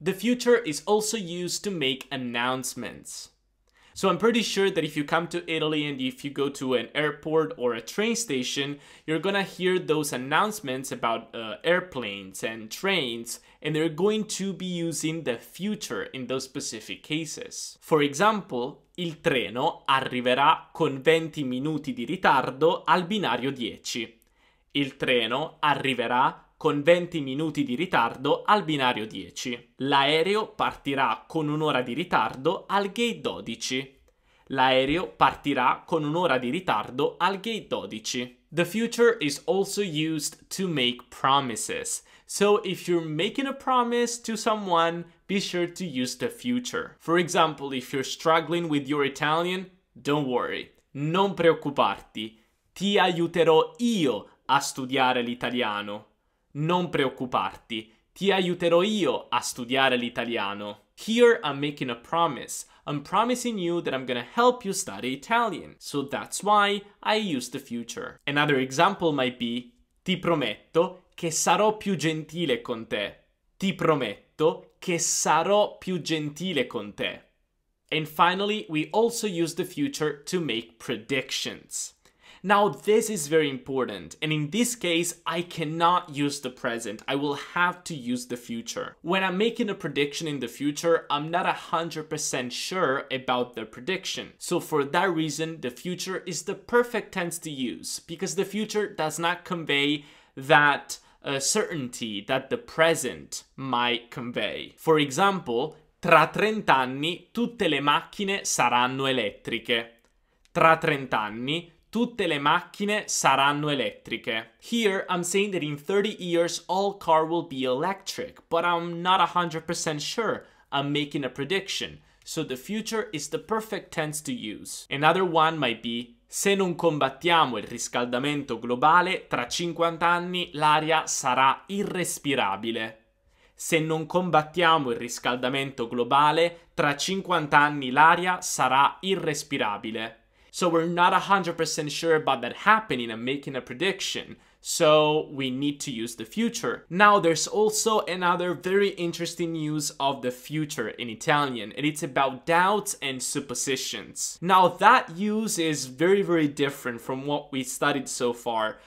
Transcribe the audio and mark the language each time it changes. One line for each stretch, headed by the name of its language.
English: The future is also used to make announcements. So I'm pretty sure that if you come to Italy and if you go to an airport or a train station, you're gonna hear those announcements about airplanes and trains, and they're going to be using the future in those specific cases. For example,
Italian: il treno arriverà con 20 minuti di ritardo al binario 10. Il treno arriverà con 20 minuti di ritardo al binario 10. L'aereo partirà con un'ora di ritardo al gate 12. L'aereo partirà con un'ora di ritardo al gate 12.
English: The future is also used to make promises. So if you're making a promise to someone, be sure to use the future. For example, if you're struggling with your Italian, don't worry.
Italian: Non preoccuparti. Ti aiuterò io a studiare l'italiano. Non preoccuparti. Ti aiuterò io a studiare l'italiano.
English: Here I'm making a promise. I'm promising you that I'm gonna help you study Italian. So that's why I use the future. Another example might be,
Italian: ti prometto che sarò più gentile con te. Ti prometto che sarò più gentile con te.
English: And finally, we also use the future to make predictions. Now, this is very important, and in this case, I cannot use the present. I will have to use the future. When I'm making a prediction in the future, I'm not 100% sure about the prediction. So for that reason, the future is the perfect tense to use, because the future does not convey that certainty that the present might convey. For example,
Italian: tra 30 anni tutte le macchine saranno elettriche. Tra 30 anni tutte le macchine saranno elettriche.
English: Here I'm saying that in 30 years all car will be electric, but I'm not 100% sure. I'm making a prediction. So the future is the perfect tense to use. Another one might be,
Italian: se non combattiamo il riscaldamento globale, tra 50 anni l'aria sarà irrespirabile. Se non combattiamo il riscaldamento globale, tra 50 anni l'aria sarà irrespirabile.
English: So we're not 100% sure about that happening and making a prediction. So we need to use the future. Now there's also another very interesting use of the future in Italian, and it's about doubts and suppositions. Now that use is very, very different from what we studied so far.